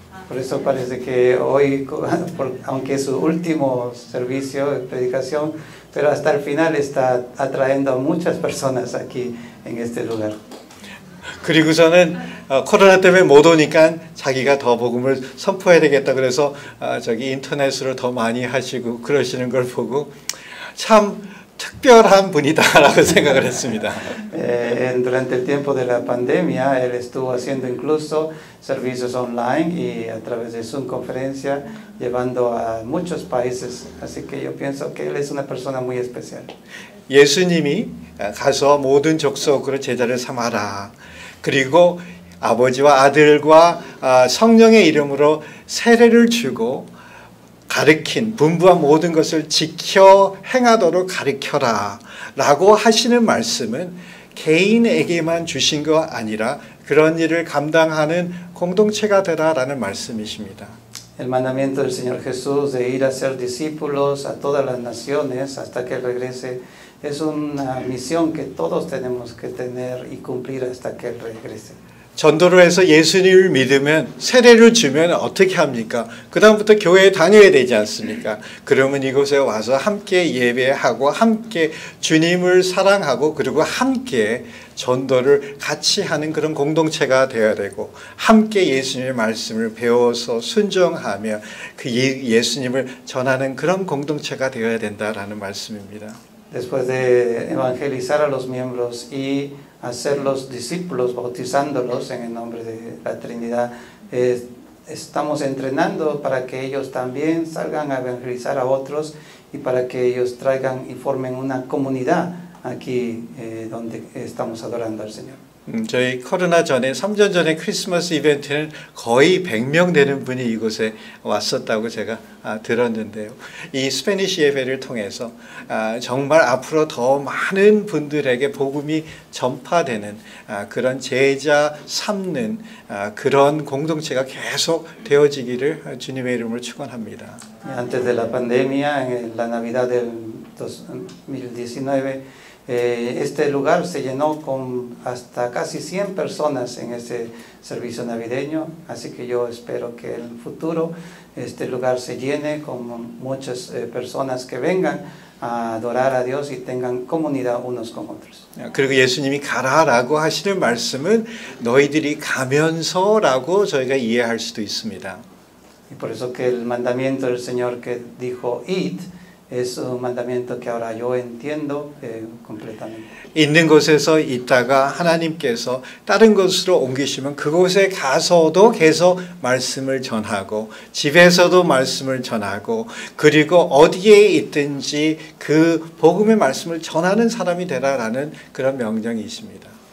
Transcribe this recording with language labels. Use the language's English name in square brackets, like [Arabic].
[Spanish] Por eso parece que hoy, aunque es su último servicio de predicación, pero hasta el final está atrayendo a muchas personas aquí en este lugar. [Korean] 그리고서는 코로나 때문에 못 오니까 자기가 더 복음을 선포해야 되겠다 그래서 저기 인터넷으로 더 많이 하시고 그러시는 걸 보고 참 특별한 분이다라고 생각을 했습니다. [Spanish] durante el tiempo de la pandemia él estuvo haciendo incluso servicios online y a través de Zoom conferencia llevando a muchos países, así que yo pienso que él es una persona muy especial. [Korean] 예수님이 가서 모든 족속으로 제자를 삼아라. 그리고 아버지와 아들과 성령의 이름으로 세례를 주고 가르친 분부한 모든 것을 지켜 행하도록 가르쳐라 라고 하시는 말씀은 개인에게만 주신 것 아니라 그런 일을 감당하는 공동체가 되라라는 말씀이십니다. [Spanish] El mandamiento del Señor Jesús de ir a ser discípulos a todas las naciones hasta que regrese es una misión que todos tenemos que tener y cumplir hasta que él regrese. [Korean] 전도를 해서 예수님을 믿으면 세례를 주면 어떻게 합니까? 그다음부터 교회에 다녀야 되지 않습니까? 그러면 이곳에 와서 함께 예배하고 함께 주님을 사랑하고 그리고 함께 전도를 같이 하는 그런 공동체가 되어야 되고 함께 예수님의 말씀을 배워서 순종하며 그 예수님을 전하는 그런 공동체가 되어야 된다라는 말씀입니다. [Spanish] Después de evangelizar a los miembros y hacerlos discípulos, bautizándolos en el nombre de la Trinidad, estamos entrenando para que ellos también salgan a evangelizar a otros y para que ellos traigan y formen una comunidad aquí donde estamos adorando al Señor. [Korean] 저희 코로나 전에 3년 전에 크리스마스 이벤트는 거의 100명 되는 분이 이곳에 왔었다고 제가 들었는데요. 이 스페니시 예배를 통해서 정말 앞으로 더 많은 분들에게 복음이 전파되는 그런 제자 삼는 그런 공동체가 계속 되어지기를 주님의 이름으로 축원합니다. [Spanish] Antes de la pandemia, en la Navidad del 2019, este lugar se llenó con hasta casi 100 personas en ese servicio navideño, así que yo espero que en el futuro este lugar se llene con muchas personas que vengan a adorar a Dios y tengan comunidad unos con otros. [Korean] 그리고 예수님이 가라라고 하시는 말씀은 너희들이 가면서라고 저희가 이해할 수도 있습니다. [Spanish] Y por eso que el mandamiento del Señor que dijo id es un mandamiento que ahora yo entiendo completamente. [Korean] 있는 곳에서 있다가 하나님께서 다른 곳으로 옮기시면 그곳에 가서도 계속 말씀을 전하고 집에서도 말씀을 전하고 그리고 어디에 있든지 그 복음의 말씀을 전하는 사람이 되라라는 그런 명령이십니다.